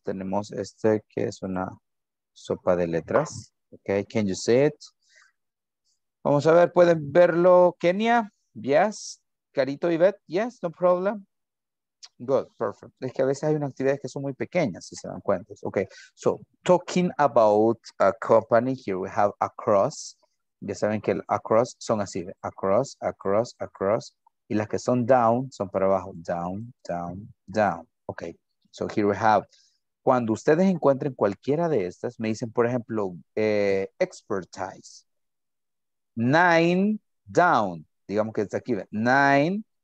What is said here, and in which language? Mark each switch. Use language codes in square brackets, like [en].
[es] Tenemos este que es una sopa de letras. Okay, [en] can you see it? [es] Vamos a ver, ¿pueden verlo, Kenia? Yes. [en] Carito y Beth, yes, no problem. Good, perfect. [es] Es que a veces hay unas actividades que son muy pequeñas, si se dan cuenta. [en] Okay, so talking about a company, here we have across. [es] Ya saben que el across son así, across, across, across. Y las que son down, son para abajo, down, down, down. [en] Okay, so here we have, [es] cuando ustedes encuentren cualquiera de estas, me dicen, por ejemplo, expertise. [en] Nine, down. [es] Digamos que está aquí, nine.